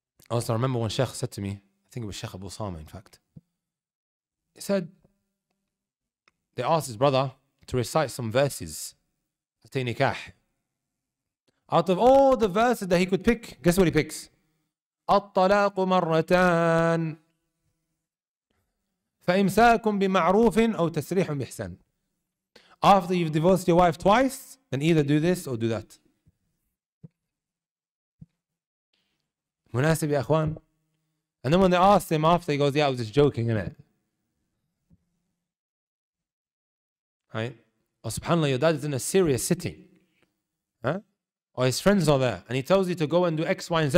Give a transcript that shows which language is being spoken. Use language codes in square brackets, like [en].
[en] Also, I remember when Sheikh said to me, I think it was Sheikh Abu Sama, in fact. He said, they asked his brother to recite some verses at the nikah. Out of all the verses that he could pick, guess what he picks? [ar] الطلاق مرتان فإمساك بمعروف أو تسريح بإحسان. [en] After you've divorced your wife twice, then either do this or do that. [ar] مناسب يا أخوان. [en] And then when they asked him after, he goes, yeah, I was just joking, innit? Right? Or subhanAllah, your dad is in a serious city. Or his friends are there and he tells you to go and do X, Y, and Z.